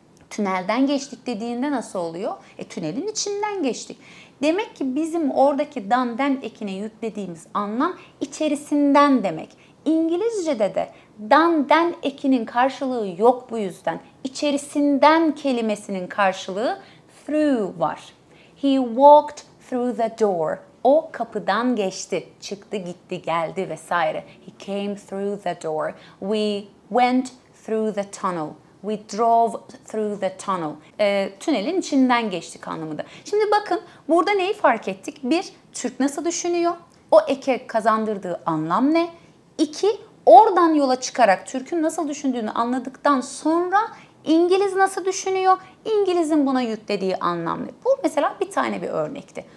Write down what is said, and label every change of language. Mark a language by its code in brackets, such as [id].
[tr] Tünelden geçtik dediğinde nasıl oluyor? E tünelin içinden geçtik. Demek ki bizim oradaki danden ekine yüklediğimiz anlam içerisinden demek. İngilizce'de de danden ekinin karşılığı yok bu yüzden. İçerisinden kelimesinin karşılığı through var. [en] He walked through the door. [tr] O kapıdan geçti, çıktı, gitti, geldi vesaire. [en] He came through the door. We went through the tunnel. We drove through the tunnel. [tr] Tünelin içinden geçtik anlamında. Şimdi bakın burada neyi fark ettik? Bir, Türk nasıl düşünüyor? O eke kazandırdığı anlam ne? İki, oradan yola çıkarak Türk'ün nasıl düşündüğünü anladıktan sonra İngiliz nasıl düşünüyor? İngiliz'in buna yüklediği anlam ne? Bu mesela bir tane bir örnekti.